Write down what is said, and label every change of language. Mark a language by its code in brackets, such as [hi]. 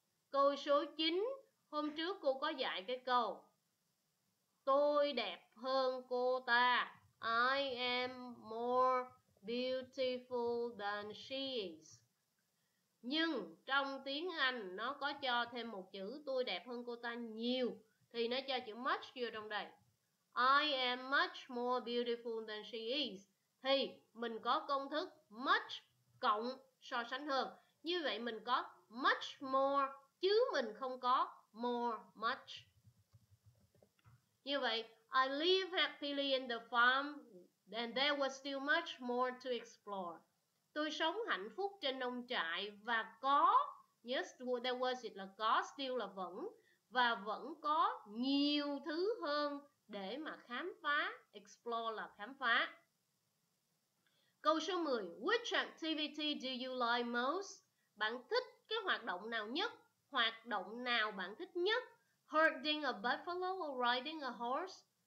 [vi] Câu số 9, hôm trước cô có dạy cái câu tôi đẹp hơn cô ta, [en] I am more beautiful than she is. [vi] Nhưng trong tiếng Anh nó có cho thêm một chữ tôi đẹp hơn cô ta nhiều, thì nó cho chữ much vô trong đây. [en] I am much more beautiful than she is. [vi] Thì mình có công thức much cộng so sánh hơn. Như vậy mình có much more chứ mình không có more much. Như vậy [en] I live happily in the farm and there was still much more to explore. [vi] Tôi sống hạnh phúc trên nông trại và có [en] Yes, there was it [vi] là có, [en] still [vi] là vẫn. Và vẫn có nhiều thứ hơn để mà khám phá. Explore là khám phá. Câu số 10. [en] Which activity do you like most? [vi] Bạn thích cái hoạt động nào nhất? Hoạt động nào bạn thích nhất? [en] Herding a buffalo or riding a horse?